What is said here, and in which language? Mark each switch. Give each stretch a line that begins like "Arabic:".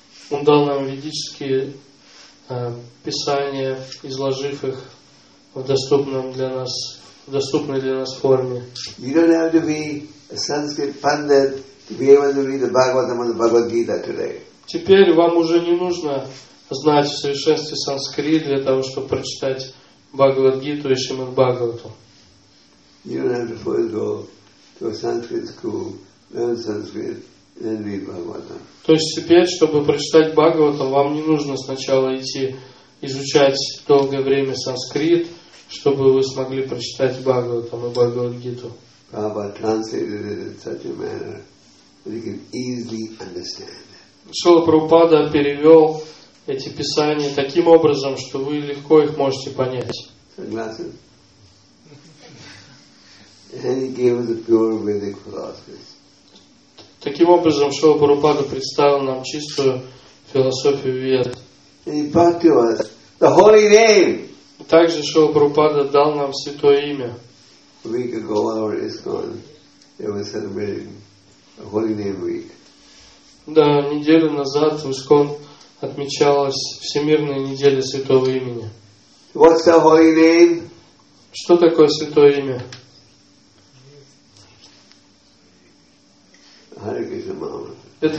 Russian: Он дал нам ведические писания, изложив их в доступной для нас форме.
English: You don't have to be a Sanskrit pundit to be able to read the Bhagavatam and the Bhagavad Gita today.
Russian: Теперь вам уже не нужно знать в совершенстве санскрит для того, чтобы прочитать Бхагавад-гиту и Шримад-Бхагавату.
English: You don't have to first go to a Sanskrit school, learn Sanskrit, then read Bhagavatam.
Russian: То есть теперь, чтобы прочитать Бхагаватам, вам не нужно сначала идти изучать долгое время санскрит, чтобы вы смогли прочитать Бхагаватам и Бхагавад-гиту.
English: Prabhupada translated it in such a manner that you can easily understand.
Russian: Шрила Прабхупада перевел эти писания таким образом, что вы легко их можете понять. Согласен?
English: And he gave us a pure Vedic philosophy.
Russian: Таким образом, Шрила Прабхупада представил нам чистую философию Вед.
English: And he brought to us the holy name.
Russian: Также Шрила Прабхупада дал нам святое имя.
English: A week ago, our ISKCON, they were celebrating a holy name week.
Russian: Да, неделю назад в ИСККОН отмечалась Всемирная неделя святого имени.
English: What's the holy name?
Russian: Что такое святое имя?
English: Hare Krishna Mahamantra.